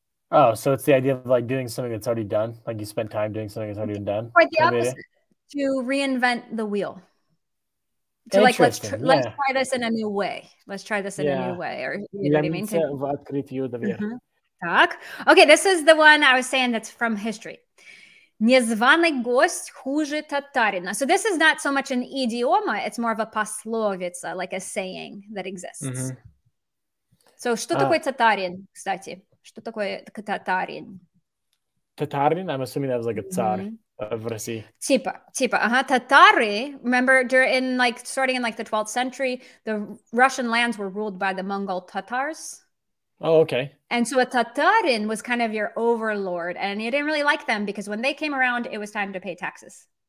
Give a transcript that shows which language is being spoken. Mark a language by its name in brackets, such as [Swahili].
[English] Oh, so it's the idea of like doing something that's already done. Like you spent time doing something that's already been done. Or the opposite, to reinvent the wheel. To like let's try this in a new way. Let's try this in a new way. Or you know what I mean? Okay, this is the one I was saying that's from history. [Russian] Незваный гость хуже татарина. [English] So this is not so much an idioma, it's more of a пословица, like a saying that exists. Mm-hmm. [Russian] So что такое татарин, кстати? Что такое татарин? Татарин? [English] I'm assuming that was like a tsar mm-hmm. of Russia. [Russian] Типа. Uh-huh. [English] Татары, remember, starting in like the 12th century, the Russian lands were ruled by the Mongol Tatars. Oh, okay. And so a Tatarin was kind of your overlord, and you didn't really like them because when they came around, it was time to pay taxes.